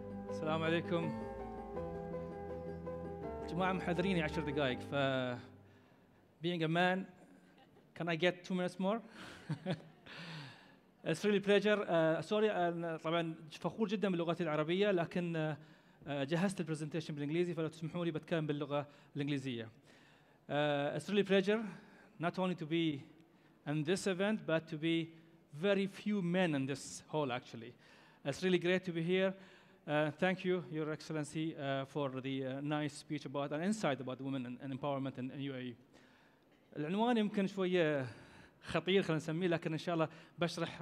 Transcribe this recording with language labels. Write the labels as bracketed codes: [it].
[ar] السلام عليكم جماعة، محذريني 10 دقائق، ف [en] being a man, can I get 2 minutes more? It's really pleasure. Sorry, [ar] طبعاً فخور جداً باللغات العربية، لكن جهزت البرزنتيشن بالإنجليزي، فلو تسمحوا لي بتكلم باللغة الإنجليزية. [en] It's really a pleasure not only to be in this event, but to be very few men in this hall actually. It's really great to be here. Thank you, Your Excellency, for the nice speech about and insight about women and empowerment in UAE. [ar] العنوان يمكن شوية خطير خلينا نسميه، لكن إن شاء الله بشرح.